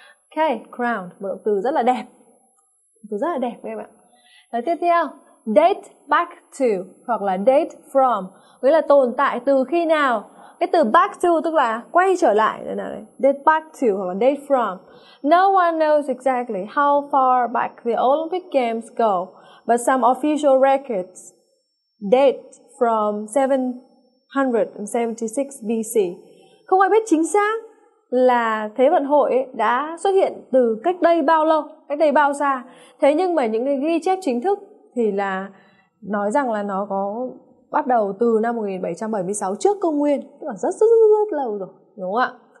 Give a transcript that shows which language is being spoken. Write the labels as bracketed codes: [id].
[vi] Okay, crowned, một động từ rất là đẹp. Từ rất là đẹp các em ạ. Rồi tiếp theo, date back to hoặc là date from, nghĩa là tồn tại từ khi nào. Cái từ back to tức là quay trở lại, đây nào đây. Date back to hoặc là date from. [en] No one knows exactly how far back the Olympic Games go, but some official records date from 776 BC. [vi] Không ai biết chính xác là Thế vận hội đã xuất hiện từ cách đây bao lâu, cách đây bao xa. Thế nhưng mà những cái ghi chép chính thức thì là nói rằng là nó có bắt đầu từ năm 1776 trước công nguyên, tức là rất lâu rồi, đúng không ạ?